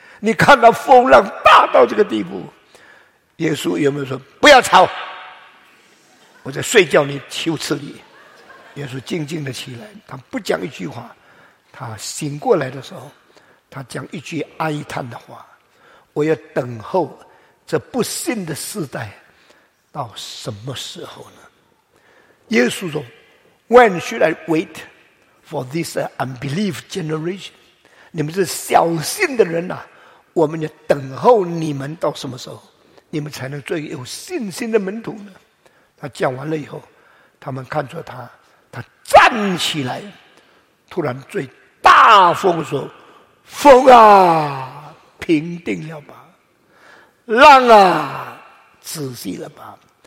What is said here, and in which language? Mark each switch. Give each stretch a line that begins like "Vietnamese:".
Chinese: 你看到风浪大到这个地步。耶稣有没有说不要吵，我在睡觉，你求吃你。耶稣静静的起来，他不讲一句话，他醒过来的时候他讲一句哀叹的话，我要等候这不信的世代到什么时候呢？耶稣说
English: When should I wait for this unbelief generation?
Chinese: 你们是小信的人啊，我们要等候你们到什么时候，你们才能做有信心的门徒呢？他讲完了以后，他们看着他，他站起来，突然对大风说，风啊平定了吧，浪啊仔细了吧。